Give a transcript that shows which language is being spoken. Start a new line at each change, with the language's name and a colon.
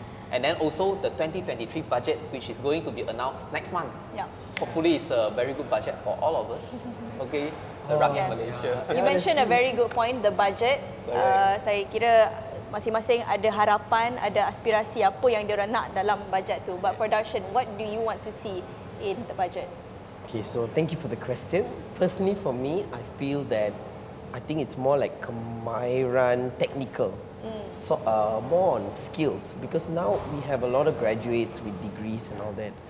English: And then also the 2023 budget, which is going to be announced next month. Yeah. Hopefully it's a very good budget for all of us. Okay, the rakyat Malaysia. You mentioned a very good point, the budget.
Malay: Saya kira masing-masing ada harapan, ada aspirasi apa yang diorang nak dalam budget tu.
English: But for Darshan, what do you want to see in the budget? Okay, so thank you for the question. Personally for me, I feel that I think it's more like Kemahiran technical. so, more on skills, because now we have a lot of graduates with degrees and all that.